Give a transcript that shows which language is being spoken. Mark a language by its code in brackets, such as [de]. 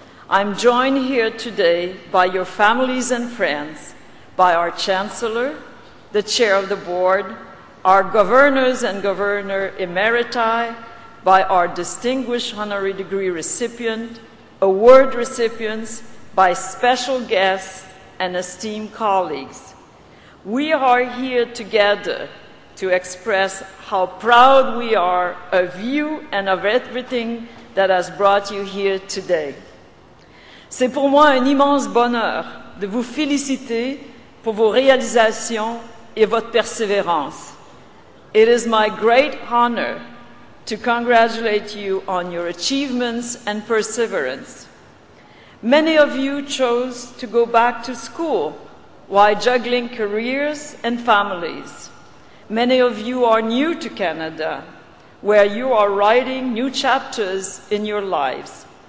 [en] I'm joined here today by your families and friends, by our chancellor, the chair of the board, our governors and governor emeriti, by our distinguished honorary degree recipient, award recipients, by special guests and esteemed colleagues. We are here together to express how proud we are of you and of everything that has brought you here today. [fr] C'est pour moi un immense bonheur de vous féliciter pour vos réalisations et votre persévérance. [en] It is my great honor to congratulate you on your achievements and perseverance. Many of you chose to go back to school while juggling careers and families. Many of you are new to Canada, where you are writing new chapters in your lives.